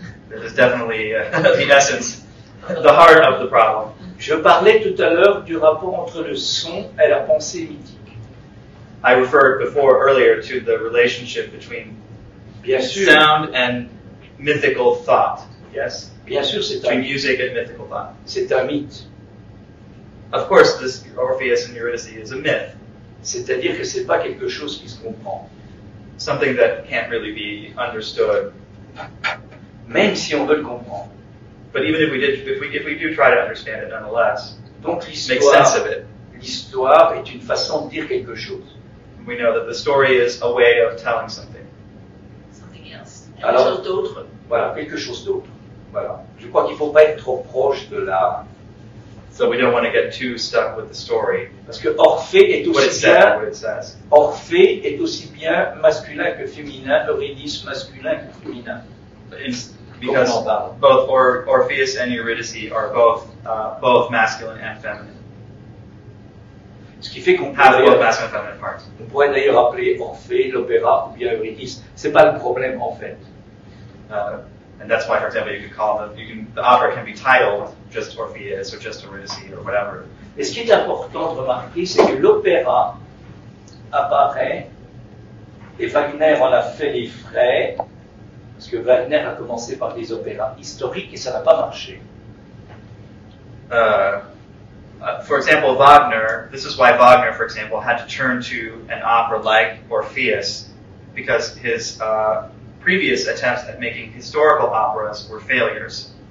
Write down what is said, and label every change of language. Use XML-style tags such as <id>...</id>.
<en>This is definitely the essence, the heart of the problem.</en> <fr>Je parlais tout à l'heure du rapport entre le son et la pensée mythique.</fr> <en>I referred before, earlier, to the relationship between sound and mythical thought. Yes?</en> <fr>Bien sûr, c'est</fr> <en>between music and mythical thought.</en> <fr>C'est un mythe.</fr> <en>Of course, this Orpheus and Eurydice is a myth.</en> <fr>C'est-à-dire que c'est pas quelque chose qui se comprend.</fr> <en>Something that can't really be understood.</en> <fr>Même si on veut le comprendre.</fr> <en>But even if we do try to understand it, nonetheless,</en> <fr>donc,</fr> <en>make sense of it.</en> <fr>L'histoire est une façon de dire quelque chose.</fr> <en>we know that the story is a way of telling something. Something else.</en> <fr>Alors, quelque chose d'autre. Voilà, quelque chose d'autre. Voilà. Je crois qu'il ne faut pas être trop proche de la...</fr> <en>So we don't want to get too stuck with the story.</en> <fr>Parce que Orphée est aussi</fr> <en>what it said,</en> <fr>bien,</fr> <en>what it says.</en> <fr>Orphée est aussi bien masculin que féminin, Eurydice masculin que féminin.</fr> <en>Because both Orpheus and Eurydice are both both masculine and feminine.</en> <fr>Ce qui fait qu'on</fr> <en>have both masculine and feminine parts.</en> <fr>On pourrait d'ailleurs appeler Orphée l'opéra ou bien Eurydice. C'est pas le problème en fait.</fr> <en>And that's why, for example, you could call them, the opera can be titled just Orpheus or just Eurydice or whatever.</en> <fr>Et ce qui est important de remarquer, c'est que l'opéra apparaît et Wagner en a fait les frais. Parce que Wagner a commencé par des opéras historiques et ça n'a pas marché.</fr> <en>For example, Wagner, this is why Wagner, for example, had to turn to an opera like Orpheus, because his previous attempts at making historical operas were failures.</en>